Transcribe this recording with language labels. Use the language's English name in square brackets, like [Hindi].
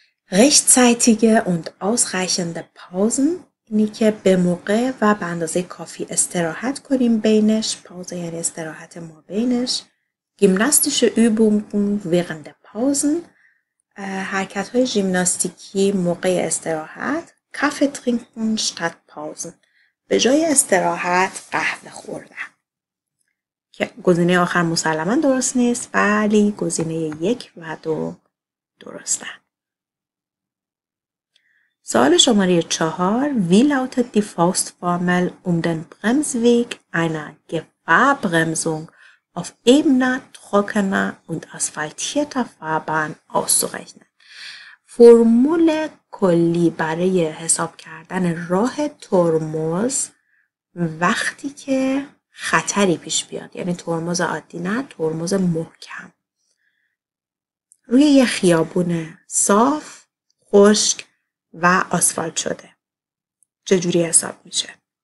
[German] Rechtzeitige und ausreichende Pausen. [Persian] اینی که به موقع و به اندازه کافی استراحت کنیم بینش. پاوزه یعنی استراحت ما بینش. [German] Gymnastische Übungen während der Pausen. [Persian] حرکت های ژیمناستیکی موقع استراحت. [German] Kaffee trinken statt Pausen. [Persian] به جای استراحت قهوه خوردن. که گزینه آخر مسلما درست نیست ولی گزینه یک و دو درسته. سوال شماره 4 [German] Wie lautet die Faustformel um den Bremsweg einer Gefahrbremsung auf ebener, trockener und asphaltierter Fahrbahn auszurechnen? [Persian] فرمول کلی برای حساب کردن راه ترمز وقتی که خطری پیش بیاد، یعنی ترمز عادی نه، ترمز محکم روی یه خیابون صاف، خشک و آسفالت شده چجوری حساب میشه؟